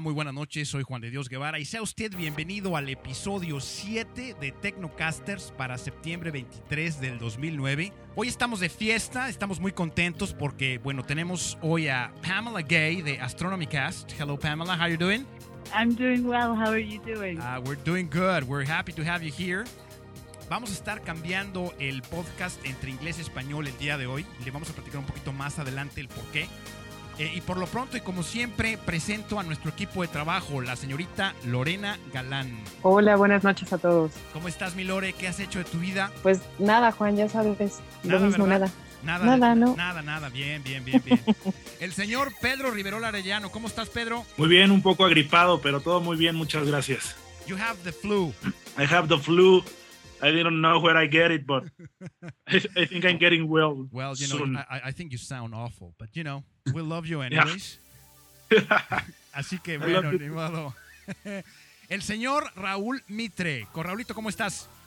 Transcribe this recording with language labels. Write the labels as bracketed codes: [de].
[es] Muy buenas noches, soy Juan de Dios Guevara y sea usted bienvenido al episodio 7 de Tecnocasters para septiembre 23 del 2009. Hoy estamos de fiesta, estamos muy contentos porque, bueno, tenemos hoy a Pamela Gay de Astronomycast. [en] Hello, Pamela, how are you doing? I'm doing well, how are you doing? We're doing good, we're happy to have you here. [es] Vamos a estar cambiando el podcast entre inglés y español el día de hoy. Le vamos a platicar un poquito más adelante el porqué. Y por lo pronto, y como siempre, presento a nuestro equipo de trabajo, la señorita Lorena Galán. Hola, buenas noches a todos. ¿Cómo estás, mi Lore? ¿Qué has hecho de tu vida? Pues nada, Juan, ya sabes, lo mismo, ¿verdad? Nada, bien. El señor Pedro Riverol Arellano, ¿cómo estás, Pedro? Muy bien, un poco agripado, pero todo muy bien, muchas gracias. [en] You have the flu. I have the flu. I don't know where I get it, but I think I'm getting well. Well, you know, soon. I think you sound awful, but you know, we love you anyways. Yeah. [es] Así que bueno, ni modo. El señor Raúl Mitre. Con Raulito, ¿cómo estás?